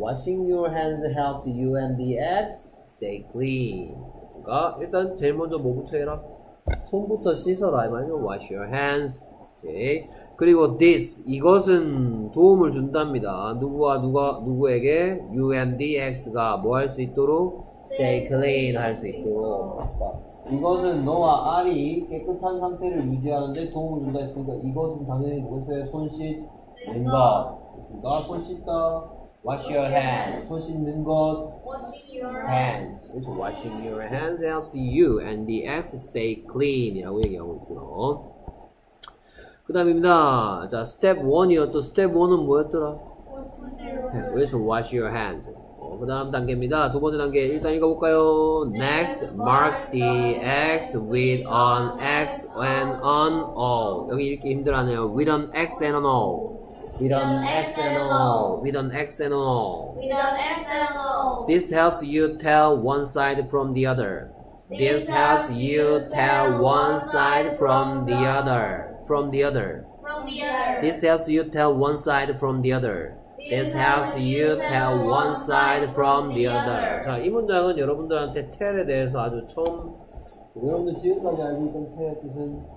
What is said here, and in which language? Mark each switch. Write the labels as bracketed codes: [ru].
[en] Washing your hands helps you and the eggs stay clean. [ko] 그러니까 일단 제일 먼저 뭐부터 해라? 손부터 씻어라. 이 말이죠. [en] Wash your hands. [ko] 오케이. 그리고 this, 이것은 도움을 준답니다. 누구에게? [en] You and the [ko] X가 뭐 할 수 있도록? [en] Stay clean [ko] 할 수 있도록. 이것은 너와 R이 깨끗한 상태를 유지하는데 도움을 준다 했으니까 이것은 당연히 뭐였어요? 손 씻 씻는 것. 누가 손 씻다? [en] Wash your hands. [ko] 손 씻는 것. [en] Wash your hands. So washing your hands helps you and the ex stay clean. [ko] 이라고 얘기하고 있구나. 그 다음입니다. 자, step 1이었죠. step 1은 뭐였더라? [en] Wash your hands. [ko] 그 다음 단계입니다. 두 번째 단계 일단 읽어볼까요? [en] Next, mark the X with an X and an O. [ko] 여기 읽기 힘들어하네요. [en] With an X and an O. With an X and an O. With an X and an O. With an X and an O. This helps you tell one side from the other. This helps you tell one side from the other. From the other. This helps you tell one side from the other. This helps you tell one side from the other. [ko] 자, 이 문장은 여러분들한테 tell에 대해서 아주 처음, 여러분들 지금까지 알고 있던 tell의 뜻은?